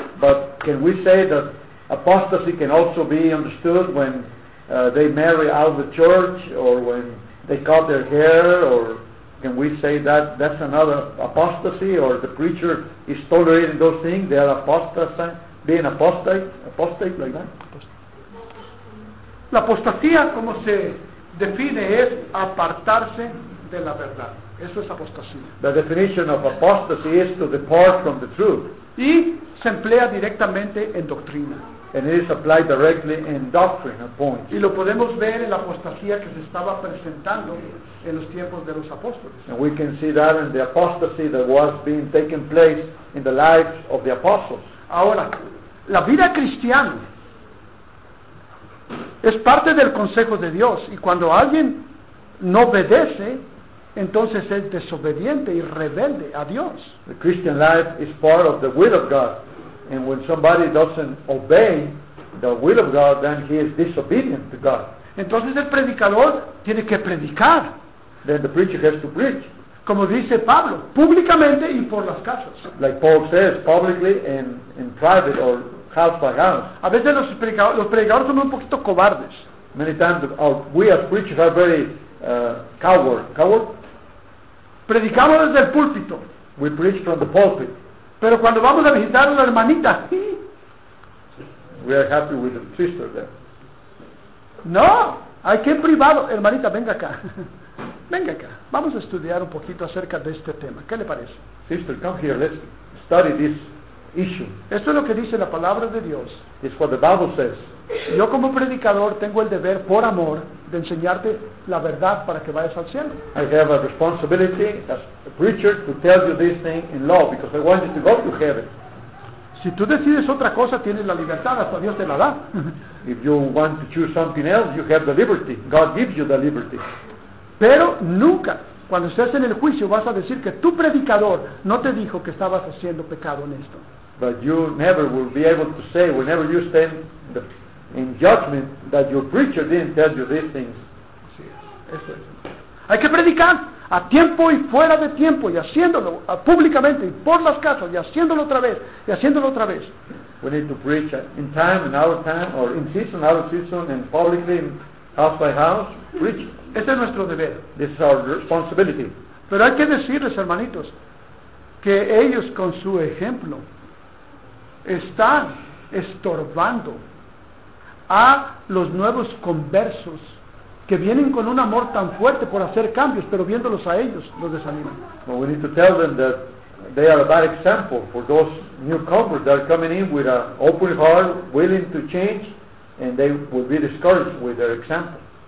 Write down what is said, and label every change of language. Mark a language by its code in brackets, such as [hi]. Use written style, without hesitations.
[en] But can we say that apostasy can also be understood when they marry out of the church or when they cut their hair, or can we say that that's another apostasy, or the preacher is tolerating those things, they are apostasizing, being apostate like that? [es] La apostasía, como se define, es apartarse de la verdad. Eso es apostasía. [en] The definition of apostasy is to depart from the truth. [es] Y se emplea directamente en doctrina. [en] And it is applied directly in doctrine points. [es] Y lo podemos ver en la apostasía que se estaba presentando en los tiempos de los apóstoles. [en] And we can see that in the apostasy that was being taken place in the lives of the apostles. [es] Ahora, la vida cristiana es parte del consejo de Dios, y cuando alguien no obedece, entonces es desobediente y rebelde a Dios. [en] The Christian life is part of the will of God, and when somebody doesn't obey the will of God, then he is disobedient to God. [es] Entonces el predicador tiene que predicar. [en] Then the preacher has to preach. [es] Como dice Pablo, públicamente y por las casas. [en] Like Paul says, publicly and in private or house by house. [es] A veces los predicadores son un poquito cobardes. [en] Many times we as preachers are very coward. [es] Predicamos desde el púlpito. [en] We preach from the pulpit. [es] Pero cuando vamos a visitar a la hermanita, [en] we are happy with the sister there. [es] No, hay que en privado, hermanita, venga acá. Venga acá, vamos a estudiar un poquito acerca de este tema. ¿Qué le parece? [en] Sister, come here, let's study this issue. [es] Esto es lo que dice la palabra de Dios. [en] It's what the Bible says. [es] Yo como predicador tengo el deber, por amor, de enseñarte la verdad para que vayas al cielo. [en] I have a responsibility as a preacher to tell you this thing in love, because I want you to go to heaven. [es] Si tú decides otra cosa, tienes la libertad, hasta Dios te la da. [en] If you want to choose something else, you have the liberty. God gives you the liberty. [es] Pero nunca, cuando estés en el juicio, vas a decir que tu predicador no te dijo que estabas haciendo pecado en esto. [en] But you never will be able to say, whenever you stand in judgment, that your preacher didn't tell you these things. [es] Hay que predicar a tiempo y fuera de tiempo, y haciéndolo públicamente y por las casas, y haciéndolo otra vez, y haciéndolo otra vez. [en] We need to preach in time and out of time, or in season, out of season, and publicly, house by house, preach. [es] Este es nuestro deber. [en] This is our responsibility. [es] Pero hay que decirles, hermanitos, que ellos con su ejemplo están estorbando a los nuevos conversos que vienen con un amor tan fuerte por hacer cambios, pero viéndolos a ellos los desaniman. [en] Well, we need to tell them that they are a bad example for those new converts that are coming in with an open heart, willing to change, and they will be discouraged with their example.